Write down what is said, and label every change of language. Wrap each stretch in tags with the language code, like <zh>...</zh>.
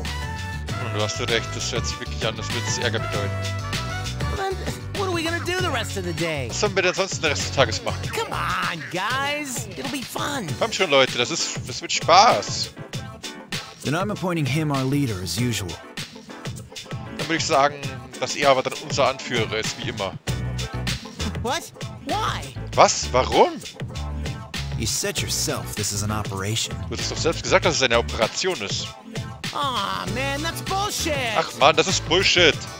<de>Und du hast recht, das hört sich wirklich an, das wird Ärger bedeuten.</de> <en>Then, what are we gonna do the rest of the day?</en> <de>Was sollen wir denn sonst den Rest des Tages machen?</de> <en>Come on, guys. It'll be fun.</en> <de>Komm schon, Leute, das wird Spaß.</de> <en>Then I'm appointing him our leader, as usual.</en> <de>Dann würde ich sagen, dass er aber dann unser Anführer ist, wie immer.</de> <en>What? Why?</en> <de>Was? Warum?</de> <en>You said yourself this is an operation.</en> <de>Du hast doch selbst gesagt, dass es eine Operation ist.</de> <en>Ah, oh, man, that's bullshit.</en> <de>Ach Mann, das ist Bullshit.</de>